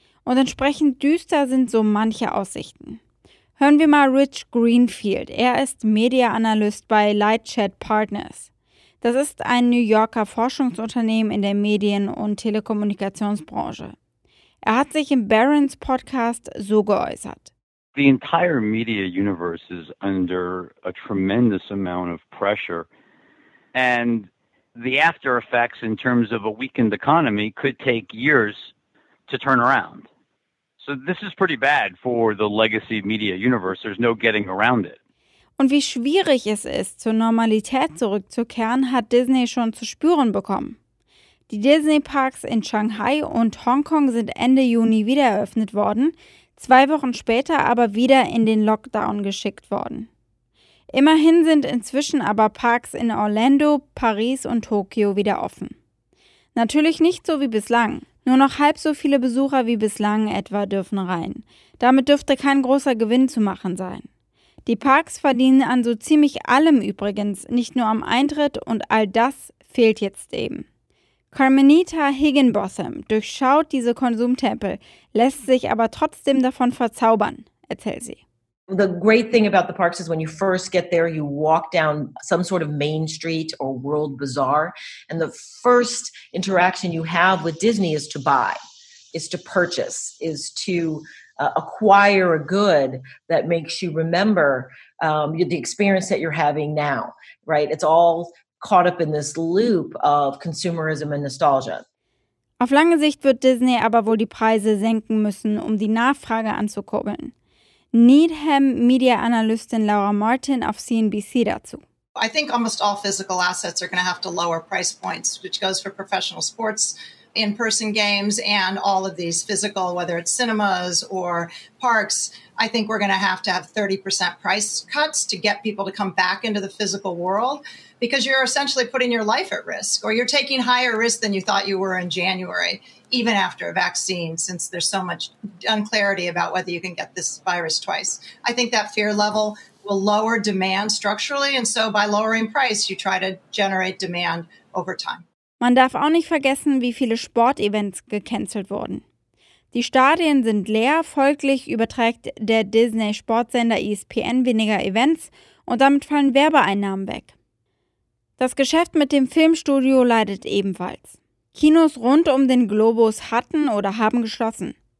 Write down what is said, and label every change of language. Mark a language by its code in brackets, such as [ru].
[de] Und entsprechend düster sind so manche Aussichten. Hören wir mal Rich Greenfield. Er ist Media-Analyst bei Lightshed Partners. Das ist ein New Yorker Forschungsunternehmen in der Medien- und Telekommunikationsbranche. Er hat sich im Barron's Podcast so geäußert. [en] The entire media universe is under a tremendous amount of pressure and the after effects in terms of a weakened economy could take years to turn around. So this is pretty bad for the legacy media universe. There's no getting around it. [de] Und wie schwierig es ist, zur Normalität zurückzukehren, hat Disney schon zu spüren bekommen. Die Disney-Parks in Shanghai und Hongkong sind Ende Juni wieder eröffnet worden, 2 Wochen später aber wieder in den Lockdown geschickt worden. Immerhin sind inzwischen aber Parks in Orlando, Paris und Tokio wieder offen. Natürlich nicht so wie bislang. Nur noch halb so viele Besucher wie bislang etwa dürfen rein. Damit dürfte kein großer Gewinn zu machen sein. Die Parks verdienen an so ziemlich allem übrigens, nicht nur am Eintritt und all das fehlt jetzt eben. Carmenita Higginbotham durchschaut diese Konsumtempel, lässt sich aber trotzdem davon verzaubern, erzählt sie. [en] The great thing about the parks is when you first get there, you walk down some sort of Main Street or World Bazaar and the first interaction you have with Disney is to buy, is to purchase, is to acquire a good that makes you remember the experience that you're having now, right? It's all caught up in this loop of consumerism and nostalgia. [de] Auf lange Sicht wird Disney aber wohl die Preise senken müssen, um die Nachfrage anzukurbeln. Needham Media Analystin Laura Martin auf CNBC dazu. [en] I think almost all physical assets are going to have to lower price points, which goes for professional sports, in-person games, and all of these physical, whether it's cinemas or parks. I think we're going to have 30% price cuts to get people to come back into the physical world, because you're essentially putting your life at risk, or you're taking higher risk than you thought you were in January, even after a vaccine, since there's so much unclarity about whether you can get this virus twice. I think that fear level will lower demand structurally. And so by lowering price, you try to generate demand over time. [de] Man darf auch nicht vergessen, wie viele Sportevents gecancelt wurden. Die Stadien sind leer, folglich überträgt der Disney-Sportsender ESPN weniger Events und damit fallen Werbeeinnahmen weg. Das Geschäft mit dem Filmstudio leidet ebenfalls. Kinos rund um den Globus hatten oder haben geschlossen.